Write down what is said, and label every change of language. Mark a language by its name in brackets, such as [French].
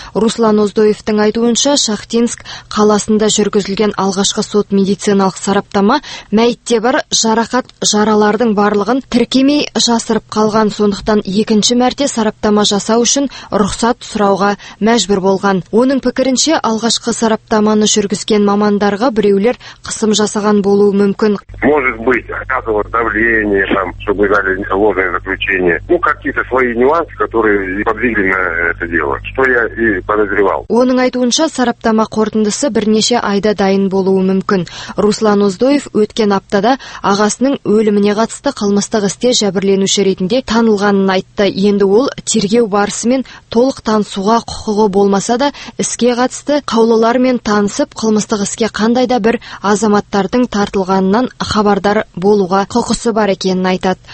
[Kazakh] Руслан Оздоевтің айтуынша, Шахтинск қаласында жүргізілген алғашқы сот медициналық сараптама мәйітте бар жарақат жаралардың барлығын тіркемей жасырып қалған, сондықтан екінші мәрте сараптама жасау үшін рұқсат сұрауға мәжбүр болған. Оның пікірінше, алғашқы сараптаманы жүргізген мамандарға біреулер қысым жасаған болуы мүмкін. [Russian] Может быть, оказывалось давление, там, чтобы дали ложное заключение. Ну, какие-то свои нюансы. лиц, которые подвели на это дело, что я и подозревал. [Kazakh] Оның айтуынша, сараптама қорытындысы бірнеше айда дайын болуы мүмкін. Руслан Оздоев өткен аптада ағасының өліміне қатысты қылмыстық істе жәбірленуші ретінде танылғанын айтты. Енді ол тергеу барысымен толық танысуға құқығы болмаса да, іске қатысты қаулылармен танысып, қылмыстық іске қандай да бір азаматтардың тартылғанынан хабардар болуға құқысы бар екенін айтады.